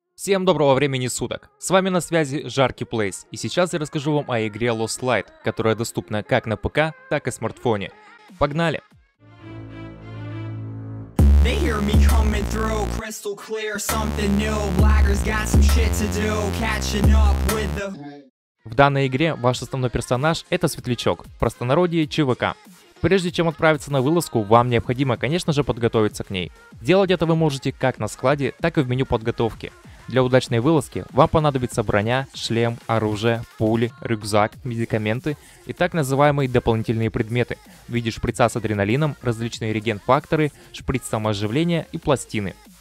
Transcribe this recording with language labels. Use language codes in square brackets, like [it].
[ru] Всем доброго времени суток! С вами на связи Жаркий Плейс, и сейчас я расскажу вам о игре Lost Light, которая доступна как на ПК, так и смартфоне. Погнали! [en] They hear me coming through, crystal clear, something new. Blackers got some shit to do, catching up with the... [ru] В данной игре ваш основной персонаж — это Светлячок, в простонародье ЧВК. Прежде чем отправиться на вылазку, вам необходимо, конечно же, подготовиться к ней. Делать это вы можете как на складе, так и в меню подготовки. Для удачной вылазки вам понадобится броня, шлем, оружие, пули, рюкзак, медикаменты и так называемые дополнительные предметы в виде шприца с адреналином, различные реген-факторы, шприц самооживления и пластины.